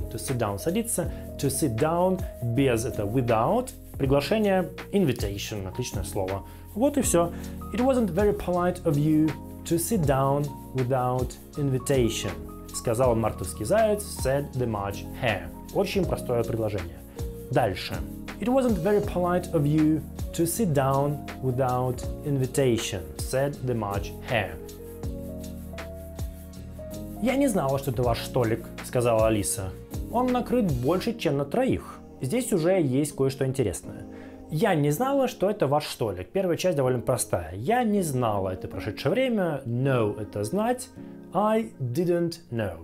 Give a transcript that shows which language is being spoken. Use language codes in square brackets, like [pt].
[en] To sit down — садиться. To sit down без — это without. [ru] Приглашение invitation — отличное слово. Вот и все. [en] It wasn't very polite of you to sit down without invitation, [ru] сказал мартовский заяц, [en] said the much hare. [ru] Очень простое предложение. Дальше. [en] It wasn't very polite of you to sit down without invitation, said the much hare. [ru] «Я не знала, что это ваш столик», — сказала Алиса. «Он накрыт больше, чем на троих». Здесь уже есть кое-что интересное. «Я не знала, что это ваш столик». Первая часть довольно простая. «Я не знала» — это прошедшее время. [en] «Know» — [ru] это «знать». [en] «I didn't know».